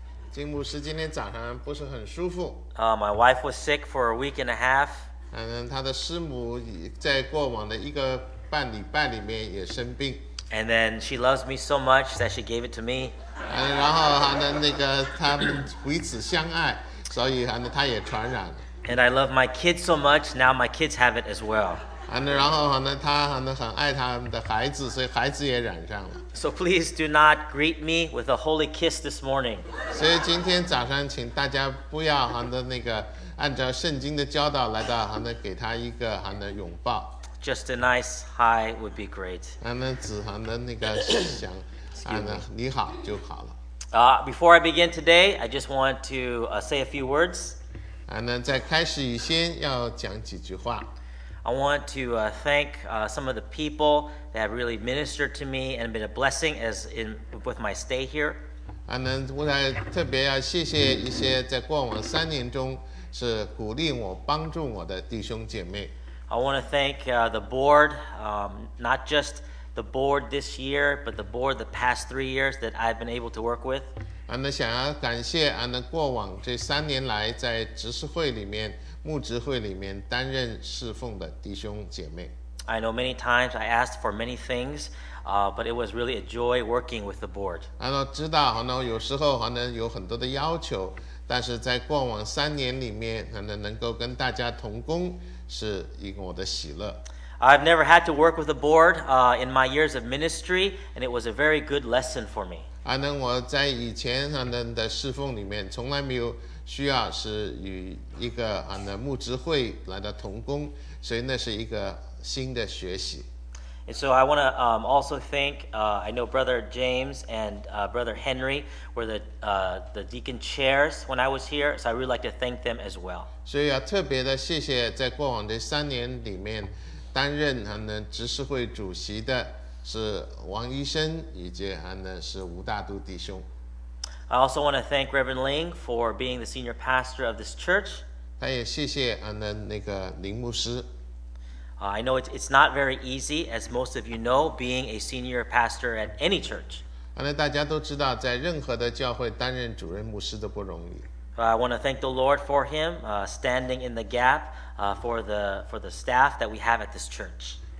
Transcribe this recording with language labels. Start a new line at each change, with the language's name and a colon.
Chinese: 金牧师今天早上不是很舒服。
English: My wife was sick for a week and a half.
Chinese: 她的师母在过往的一个半礼拜里面也生病。
English: And then she loves me so much that she gave it to me.
Chinese: 然后呢，那个他们彼此相爱，所以呢，他也传染了。
English: And I love my kids so much. Now my kids have it as well.
Chinese: 然后呢，他呢很爱他们的孩子，所以孩子也染上了。
English: So please do not greet me with a holy kiss this morning.
Chinese: 所以今天早上，请大家不要那个按照圣经的教导来到给他一个拥抱。
English: Just a nice hi would be great.
Chinese: 子涵的那个想，你好就好了。
English: Before I begin today, I just want to say a few words.
Chinese: 在开始以前要讲几句话。
English: I want to thank some of the people that have really ministered to me and been a blessing as in with my stay here.
Chinese: 我还特别要谢谢一些在过往三年中是鼓励我、帮助我的弟兄姐妹。
English: I want to thank the board, not just the board this year, but the board the past 3 years that I've been able to work with.
Chinese: 想要感谢过往这三年来在执事会里面、牧职会里面担任侍奉的弟兄姐妹。
English: I know many times I asked for many things, but it was really a joy working with the board.
Chinese: 知道有时候有很多的要求，但是在过往三年里面能够跟大家同工是一个我的喜乐。
English: I've never had to work with a board in my years of ministry, and it was a very good lesson for me.
Chinese: 我在以前的侍奉里面从来没有需要是与一个牧职会来的同工，所以那是一个新的学习。
English: And so I want to also thank, I know Brother James and Brother Henry were the deacon chairs when I was here, so I'd really like to thank them as well.
Chinese: 所以要特别的谢谢在过往的三年里面担任执事会主席的是王医生以及是吴大都弟兄。
English: I also want to thank Reverend Ling for being the senior pastor of this church.
Chinese: 他也谢谢那个林牧师。
English: I know it's not very easy, as most of you know, being a senior pastor at any church.
Chinese: 大家都知道在任何的教会担任主任牧师都不容易。
English: I want to thank the Lord for him, standing in the gap, for the staff that we have at this church.